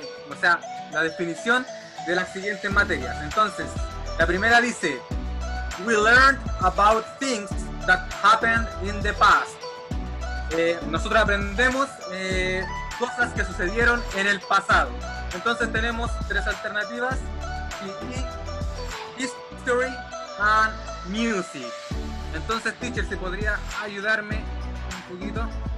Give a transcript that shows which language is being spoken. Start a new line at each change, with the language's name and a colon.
Spanish: O sea, la definición de las siguientes materias. Entonces, la primera dice:
English: We learned about things that happened in the past.
Spanish: Nosotros aprendemos cosas que sucedieron en el pasado. Entonces, tenemos tres alternativas: PE, History, and Music. Entonces, teacher, ¿se podría ayudarme un poquito?